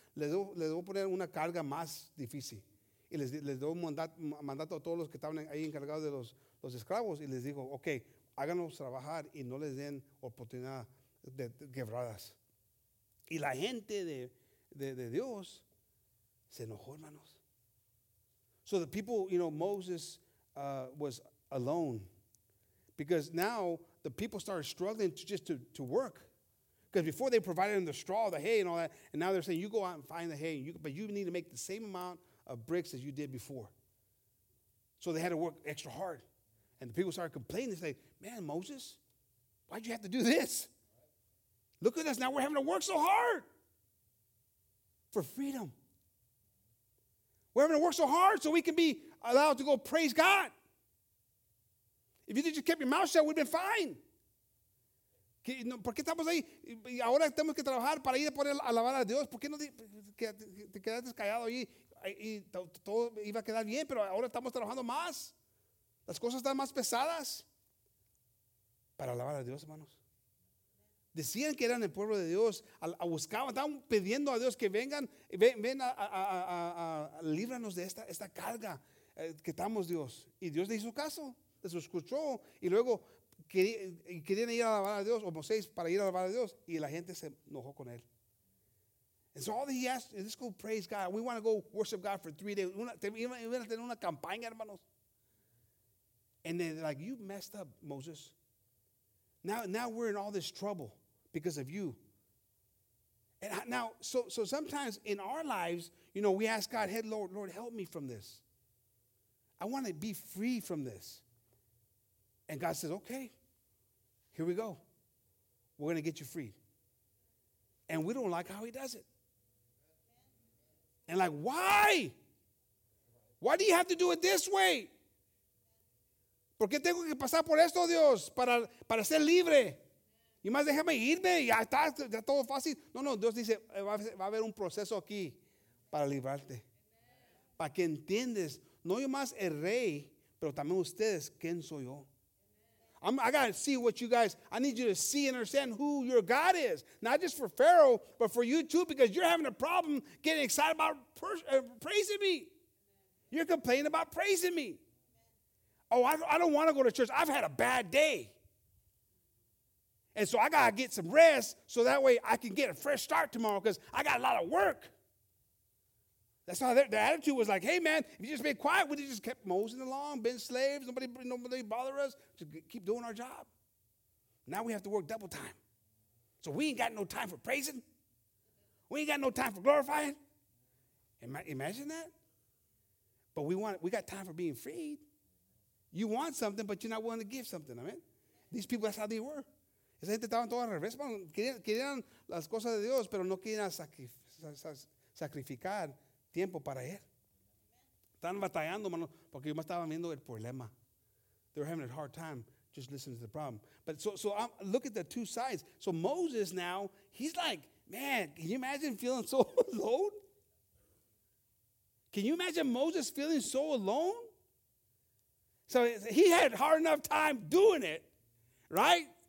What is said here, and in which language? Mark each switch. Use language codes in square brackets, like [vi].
[es] Les voy a poner una carga más difícil. Y les dio un mandato a todos los que estaban ahí encargados de los esclavos. Y les dijo, ok, háganos trabajar y no les den oportunidad de quebradas. Y la gente de Dios se enojó, hermanos. [en] So the people, you know, Moses was alone. Because now the people started struggling to work. Because before they provided them the straw, the hay and all that. And now they're saying, you go out and find the hay. But you need to make the same amount of bricks as you did before. So they had to work extra hard. And the people started complaining. They say, man, Moses, why'd you have to do this? Look at us now. We're having to work so hard for freedom. We're having to work so hard so we can be allowed to go praise God. If you just kept your mouth shut, we'd been fine. [es] ¿Por qué estamos ahí? Ahora tenemos que trabajar para ir a poder alabar a Dios. ¿Por qué no te quedaste callado allí? Y todo iba a quedar bien, pero ahora estamos trabajando más. Las cosas están más pesadas. Para alabar a Dios, hermanos. Decían que eran el pueblo de Dios. Buscaban, estaban pidiendo a Dios que vengan. Ven a líbranos de esta carga que estamos, Dios. Y Dios le hizo caso. Les escuchó. Y luego querían ir a alabar a Dios. O Moisés para ir a alabar a Dios. Y la gente se enojó con él. [en] And so all that he asked is, let's go praise God. We want to go worship God for 3 days. [es] Una tener una campaña, hermanos. [en] And then they're like, you messed up, Moses. Now we're in all this trouble because of you. And so sometimes in our lives, you know, we ask God, hey, Lord, help me from this. I want to be free from this. And God says, okay, here we go. We're going to get you free. And we don't like how he does it. And like, why? Why do you have to do it this way? [es] ¿Por qué tengo que pasar por esto, Dios? Para ser libre. Y más déjame irme, ya está, ya todo fácil. No, no, Dios dice, va a haber un proceso aquí para librarte. Para que entiendas, no yo más el rey, pero también ustedes, ¿quién soy yo? [en] I need you to see and understand who your God is. Not just for Pharaoh, but for you too, because you're having a problem getting excited about praising me. You're complaining about praising me. Oh, I don't want to go to church. I've had a bad day. And so I got to get some rest so that way I can get a fresh start tomorrow because I got a lot of work. That's how their attitude was like, hey, man, if you just been quiet, we just kept moseying along, been slaves, nobody bother us, just keep doing our job. Now we have to work double time. So we ain't got no time for praising. We ain't got no time for glorifying. Imagine that. But we got time for being freed. You want something, but you're not willing to give something. I mean, these people, that's how they were. [es] Esa gente estaba todo al revés. Querían las cosas de Dios, pero no querían sacrificar tiempo para él. Están batallando, mano, porque yo me estaba viendo el problema. [en] They're having a hard time just listening to the problem. But so look at the two sides. So Moses now, he's like, man, can you imagine feeling so alone? Can you imagine Moses feeling so alone? So he had hard enough time doing it, right?